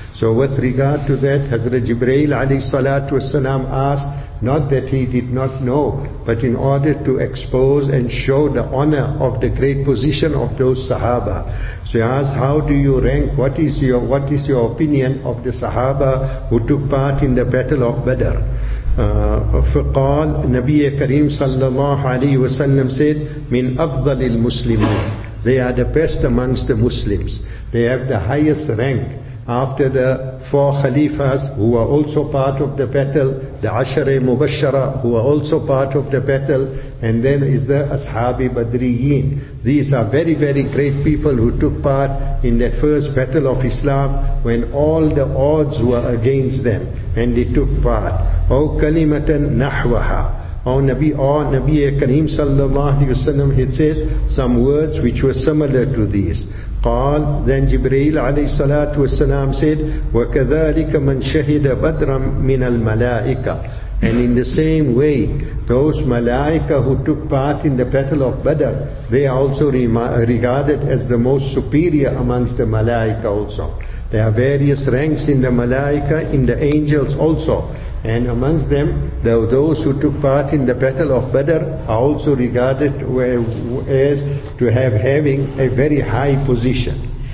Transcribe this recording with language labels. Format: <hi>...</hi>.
<en>So with regard to that, Hazrat Jibreel alayhi salatu wasalam asked, not that he did not know, but in order to expose and show the honor of the great position of those Sahaba. So he asked, how do you rank, what is your opinion of the Sahaba who took part in the battle of Badr?</en> <ar>فقال نبي كريم صلى الله عليه وسلم</ar> <en>said,</en> <ar>من أفضل المسلمين.</ar> <en>They are the best amongst the Muslims. They have the highest rank after the four Khalifas who were also part of the battle, the Ashare Mubashara who were also part of the battle, and then is the Ashabi Badriyin. These are very, very great people who took part in that first battle of Islam when all the odds were against them, and they took part.</en> <ar>O kalimatan nahwaha.</ar> <en>O Nabi Kareem sallallahu alayhi wasallam, he said some words which were similar to these.</en> <ar>قال</ar> <en>then Jibreel alayhi salatu wasalam said,</en> <ar>وَكَذَلِكَ مَنْ شَهِدَ بَدْرًا مِنَ الْمَلَائِكَةِ.</ar> <en>And in the same way, those malaika who took part in the battle of Badr, they are also regarded as the most superior amongst the malaika also. There are various ranks in the malaika, in the angels also. And amongst them, those who took part in the battle of Badr are also regarded as to have having a very high position.</en>